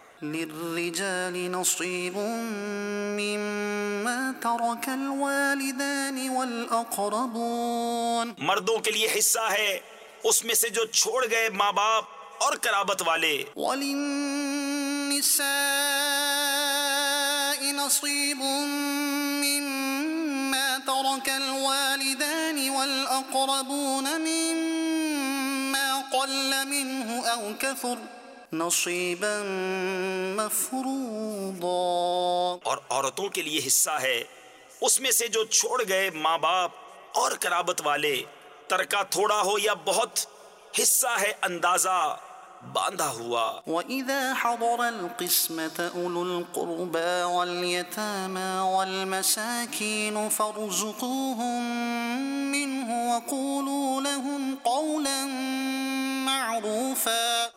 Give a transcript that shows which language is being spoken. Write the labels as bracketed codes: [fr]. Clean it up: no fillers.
[ar] للرجال نصيب مما ترك الوالدان والأقربون. [ur] مردوں کے لیے حصہ ہے اس میں سے جو چھوڑ گئے ماں باپ اور قرابت والے. [ar] وللنساء نصيب مما ترك الوالدان والأقربون مما قل منه أو كثر نصيبا مفروضا. [ur] اور عورتوں کے لیے حصہ ہے اس میں سے جو چھوڑ گئے ماں باپ اور قرابت والے, ترکہ تھوڑا ہو یا بہت, حصہ ہے اندازہ باندھا ہوا. [ar] وَإِذَا حَضَرَ الْقِسْمَةَ أُولُو الْقُرْبَى وَالْيَتَامَى وَالْمَسَاكِينُ فَارْزُقُوهُمْ مِنْهُ وَقُولُوا لَهُمْ قَوْلًا مَعْرُوفًا.